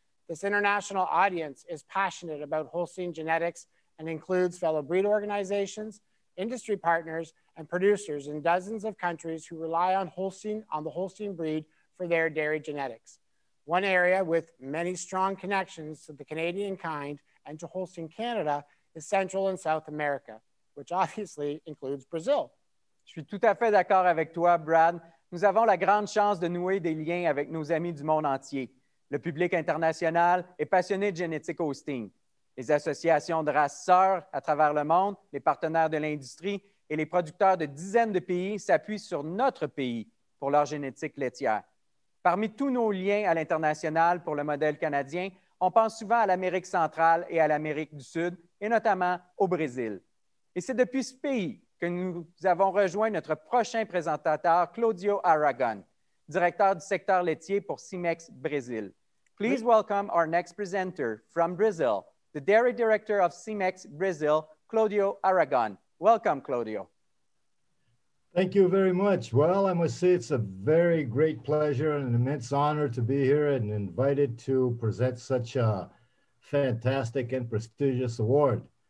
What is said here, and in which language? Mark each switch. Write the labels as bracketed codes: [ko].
[en] This international audience is passionate about Holstein genetics and includes fellow breed organizations, industry partners, and producers in dozens of countries who rely on the Holstein breed for their dairy genetics. One area with many strong connections to the Canadian kind and to Holstein Canada is Central and South America, which obviously includes Brazil. [fr] Je suis tout à fait d'accord avec toi, Brad. Nous avons la grande chance de nouer des liens avec nos amis du monde entier. Le public international est passionné de génétique hosting. Les associations de races sœurs à travers le monde, les partenaires de l'industrie et les producteurs de dizaines de pays s'appuient sur notre pays pour leur génétique laitière. Parmi tous nos liens à l'international pour le modèle canadien, on pense souvent à l'Amérique centrale et à l'Amérique du Sud, et notamment au Brésil. Et c'est depuis ce pays que nous avons rejoint notre prochain présentateur, Claudio Aragon, directeur du secteur laitier pour Cimex Brésil. [en] Please welcome our next presenter from Brazil, the dairy director of Cimex Brazil, Claudio Aragon. Welcome, Claudio. Thank you very much. Well, I must say it's a very great pleasure and an immense honor to be here and invited to present such a fantastic and prestigious award.